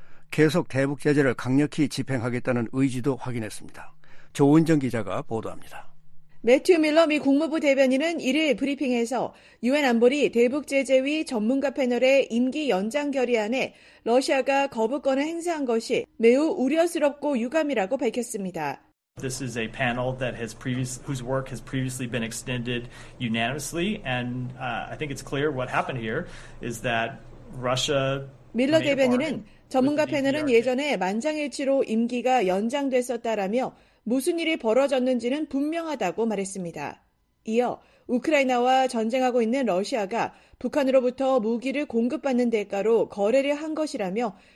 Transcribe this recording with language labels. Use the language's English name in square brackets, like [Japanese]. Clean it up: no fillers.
[Korean] 계속 대북제재를 강력히 집행하겠다는 의지도 확인했습니다. 조은정 기자가 보도합니다. 매튜 밀러 미 국무부 대변인은 1일 브리핑에서 유엔 안보리 대북제재위 전문가 패널의 임기 연장 결의안에 러시아가 거부권을 행사한 것이 매우 우려스럽고 유감이라고 밝혔습니다. [English] This is a panel that has whose work has previously been extended unanimously, and I think it's clear what happened here is that Russia. [Korean] 밀러 대변인은 전문가 패널은 예전에 만장일치로 임기가 연장됐었다라며 무슨 일이 벌어졌는지는 분명하다고 말했습니다. 이어 우크라이나와 전쟁하고 있는 러시아가 북한으로부터 무기를 공급받는 대가로 거래를 한 것이라며.